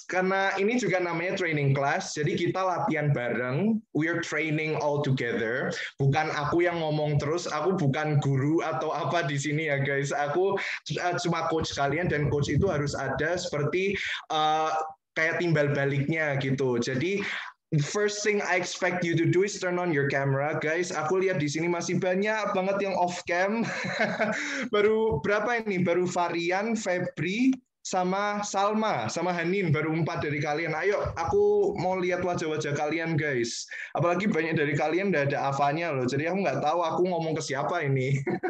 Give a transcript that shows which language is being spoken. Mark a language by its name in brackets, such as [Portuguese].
[Indonesian] Karena ini juga namanya training class, jadi kita latihan bareng, [English] we are training all together. [Indonesian] Bukan aku yang ngomong terus, aku bukan guru atau apa di sini ya guys. Aku cuma coach kalian dan coach itu harus ada seperti kayak timbal baliknya gitu. Jadi [English] First thing I expect you to do is turn on your camera, guys. [Indonesian] Aku lihat di sini masih banyak banget yang off cam. Baru berapa ini? Baru Varian, Febri, sama Salma, sama Hanin. Baru 4 dari kalian. Ayo, aku mau lihat wajah-wajah kalian, guys. Apalagi banyak dari kalian udah ada avanya loh. Jadi aku nggak tahu aku ngomong ke siapa ini.